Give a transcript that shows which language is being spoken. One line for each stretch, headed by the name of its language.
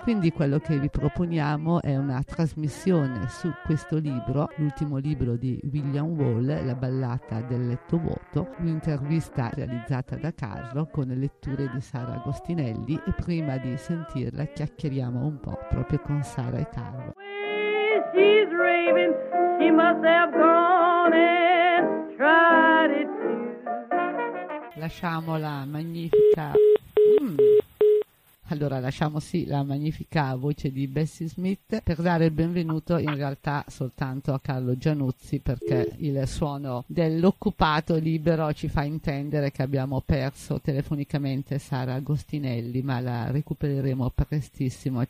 Italian: Quindi quello che vi proponiamo è una trasmissione su questo libro, l'ultimo libro di William Wall, La ballata del letto vuoto, un'intervista realizzata da Carlo con letture di Sara Agostinelli, e prima di sentirla chiacchieriamo un po' proprio con Sara e Carlo.
English: She's raving, she must have gone and tried it.
Italian: Lasciamo la magnifica. Allora, lasciamo sì la magnifica voce di Bessie Smith per dare il benvenuto in realtà soltanto a Carlo Gianuzzi, perché il suono dell'occupato libero ci fa intendere che abbiamo perso telefonicamente Sara Agostinelli, ma la recupereremo prestissimo.